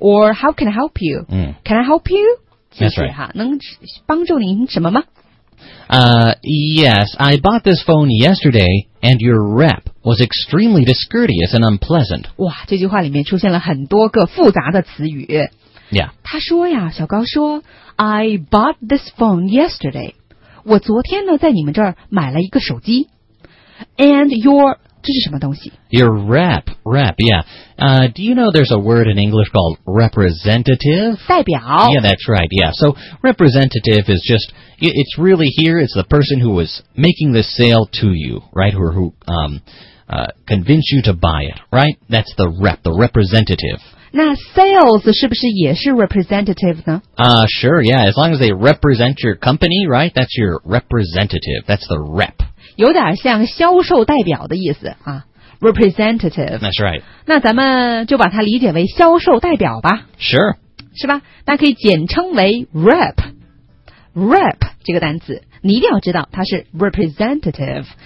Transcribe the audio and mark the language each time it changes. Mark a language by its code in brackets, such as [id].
[en] Or how can I help you?、Can I help you? That's right. [zh] 能帮助您什么吗、 [en] Yes, I bought this phone yesterday and your rep was extremely discourteous and unpleasant. [zh] 哇，这句话里面出现了很多个复杂的词语。 [en] Yeah. [zh] 他说呀，小高说 [en] I bought this phone yesterday. [zh] 我昨天呢，在你们这儿买了一个手机 ， [en] and your [zh] 这是什么东西 [en] ？Your rep, yeah. Do you know there's a word in English called representative? [zh] 代表。 [en] Yeah, that's right. Yeah, so representative is just it's really here. It's the person who was making the sale to you, right? Who convinced you to buy it, right? That's the rep, the representative. [zh] 那 sales 是不是也是 representative 呢？ [en] Sure, yeah. As long as they represent your company, right? That's your representative. That's the rep. [zh] 有点像销售代表的意思啊。 [en] Representative. That's right. [zh] 那咱们就把它理解为销售代表吧。 [en] Sure. [zh] 是吧？那可以简称为 rep。rep 这个单词，你一定要知道它是 representative。